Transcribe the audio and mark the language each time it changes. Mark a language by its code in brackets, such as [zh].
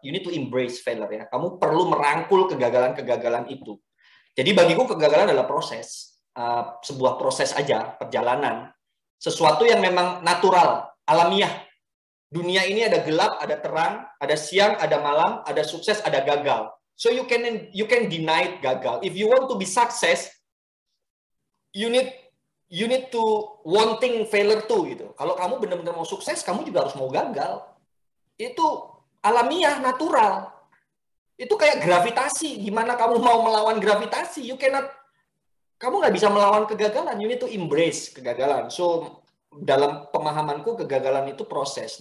[en] You need to embrace failure, [id] ya. Kamu perlu merangkul kegagalan-kegagalan itu. Jadi bagiku kegagalan adalah proses, sebuah proses aja, perjalanan. Sesuatu yang memang natural, alamiah. Dunia ini ada gelap, ada terang, ada siang, ada malam, ada sukses, ada gagal. [en] So you can deny gagal. If you want to be success, you need to wanting failure too, gitu. [id] Kalau kamu benar-benar mau sukses, kamu juga harus mau gagal. Itu alamiah, natural. Itu kayak gravitasi. Gimana kamu mau melawan gravitasi? [en] You cannot. [id] Kamu nggak bisa melawan kegagalan. [en] You need to embrace [id] kegagalan. So dalam pemahamanku, kegagalan itu proses.